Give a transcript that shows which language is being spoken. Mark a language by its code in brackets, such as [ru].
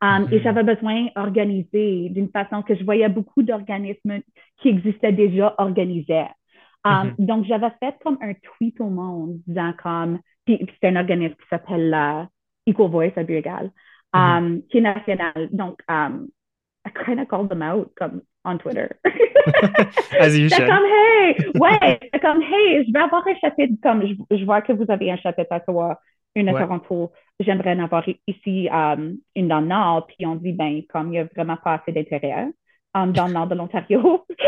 [fr] Et j'avais besoin d'organiser d'une façon que je voyais beaucoup d'organismes qui existaient déjà organisés. Donc, j'avais fait comme un tweet au monde disant comme, puis c'est un organisme qui s'appelle Equal Voice à Bruegel, qui est national. [en] Donc, I kind of called them out [fr] comme [en] on Twitter. As you [fr] C'était [en] should. [fr] comme, hey, ouais, c'était comme, hey, je vais avoir un chapitre, comme, je vois que vous avez un chapitre à toi, une à Toronto, j'aimerais en avoir ici, une dans le Nord, puis on dit, ben, comme, il n'y a vraiment pas assez d'intérêt dans le Nord de l'Ontario.